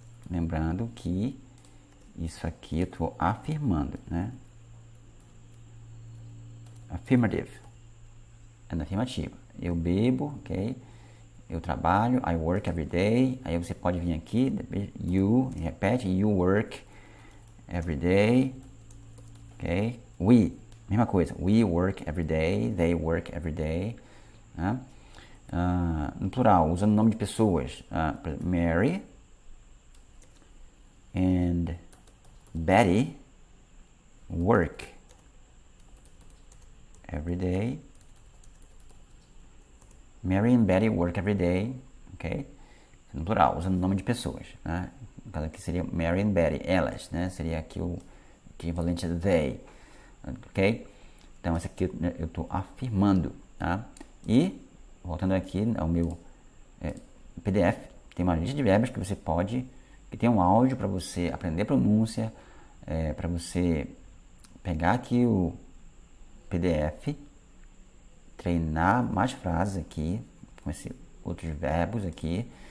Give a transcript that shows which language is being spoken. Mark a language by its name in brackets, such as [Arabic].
[Portuguese] Lembrando que isso aqui eu estou afirmando, né? Affirmative. É na afirmativa. Eu bebo, ok? Eu trabalho, [English] I work every day. [Portuguese] Aí você pode vir aqui, you, repete, [English] you work every day. [Portuguese] Ok? [English] We, [Portuguese] mesma coisa, [English] we work every day, they work every day. [Portuguese] Né? No plural, usando o nome de pessoas, [English] Mary and Betty work every day. Mary and Betty work every day, ok? [Portuguese] No plural, usando o nome de pessoas, né? No caso aqui seria Mary and Betty, elas, né? Seria aqui o equivalente a they, ok? Então, essa aqui eu estou afirmando, tá? E, voltando aqui ao meu PDF, tem uma lista de verbos que você pode, que tem um áudio para você aprender a pronúncia, para você pegar aqui o PDF, treinar mais frases aqui, com esses outros verbos aqui.